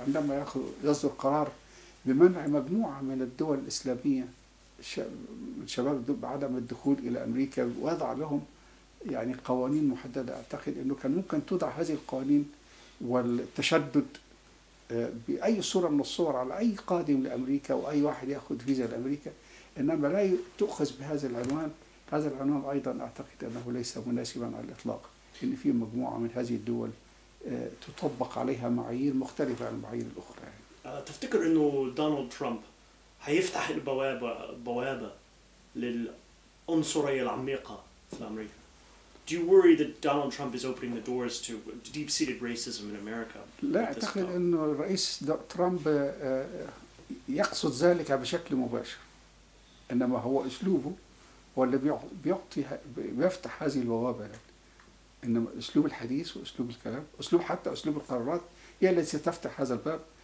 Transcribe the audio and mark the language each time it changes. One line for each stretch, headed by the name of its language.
Arabic: عندما يصدر قرار بمنع مجموعة من الدول الإسلامية شباب بعدم الدخول إلى أمريكا ووضع لهم يعني قوانين محددة، أعتقد أنه كان ممكن توضع هذه القوانين والتشدد بأي صورة من الصور على أي قادم لأمريكا وأي واحد يأخذ فيزا لأمريكا، إنما لا تؤخذ بهذا العنوان. هذا العنوان أيضا أعتقد أنه ليس مناسبا على الإطلاق، إن في مجموعة من هذه الدول تطبق عليها معايير مختلفة عن المعايير الأخرى. تفتكر أنه دونالد ترامب هيفتح البوابة للعنصرية العميقة في أمريكا؟
English: Do you worry that Donald Trump is opening the doors to deep-seated racism in America?
Arabic: لا أعتقد أنه الرئيس ترامب يقصد ذلك بشكل مباشر، إنما هو أسلوبه هو الذي بيفتح هذه البوابة. إنما أسلوب الحديث وأسلوب الكلام، أسلوب حتى أسلوب القرارات هي التي ستفتح هذا الباب.